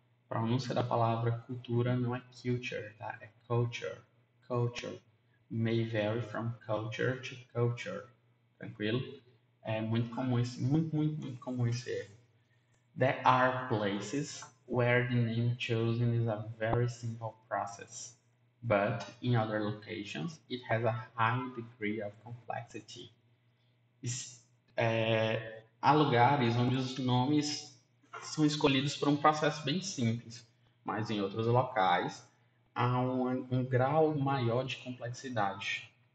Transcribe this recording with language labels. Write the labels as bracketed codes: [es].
[pt] Pronúncia da palavra cultura não é culture, tá? [en] É culture. Culture. May vary from culture to culture. Tranquilo? [pt] É muito comum esse, muito comum esse erro. [en] There are places where the name chosen is a very simple process, but in other locations it has a high degree of complexity. [pt] Há lugares onde os nomes são escolhidos por um processo bem simples, mas em outros locais há um grau maior de complexidade.